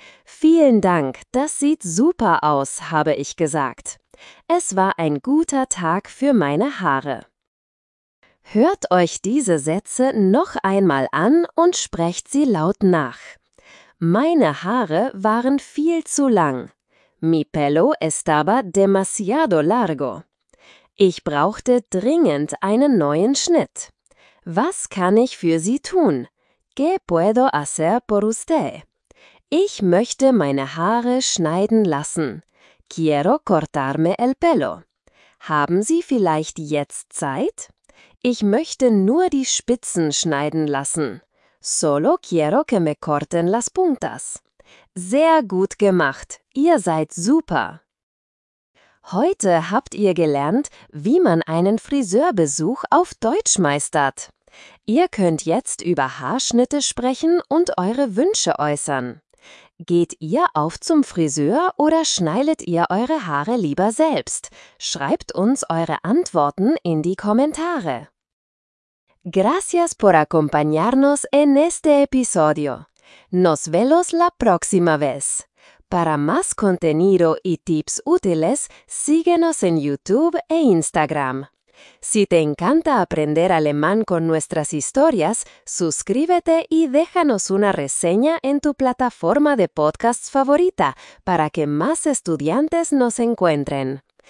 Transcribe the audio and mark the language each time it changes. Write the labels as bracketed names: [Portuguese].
[German] Vielen Dank, das sieht super aus, habe ich gesagt. Es war ein guter Tag für meine Haare. Hört euch diese Sätze noch einmal an und sprecht sie laut nach. Meine Haare waren viel zu lang. [Spanish] Mi pelo estaba demasiado largo. [German] Ich brauchte dringend einen neuen Schnitt. Was kann ich für Sie tun? [Spanish] ¿Qué puedo hacer por usted? [German] Ich möchte meine Haare schneiden lassen. [Spanish] Quiero cortarme el pelo. [German] Haben Sie vielleicht jetzt Zeit? Ich möchte nur die Spitzen schneiden lassen. [Spanish] Solo quiero que me corten las puntas. [German] Sehr gut gemacht. Ihr seid super. Heute habt ihr gelernt, wie man einen Friseurbesuch auf Deutsch meistert. Ihr könnt jetzt über Haarschnitte sprechen und eure Wünsche äußern. Geht ihr auf zum Friseur oder schneidet ihr eure Haare lieber selbst? Schreibt uns eure Antworten in die Kommentare. [Spanish] Gracias por acompañarnos en este episodio. Nos vemos la próxima vez. Para más contenido y tips útiles, síguenos en YouTube e Instagram. Si te encanta aprender alemán con nuestras historias, suscríbete y déjanos una reseña en tu plataforma de podcasts favorita para que más estudiantes nos encuentren.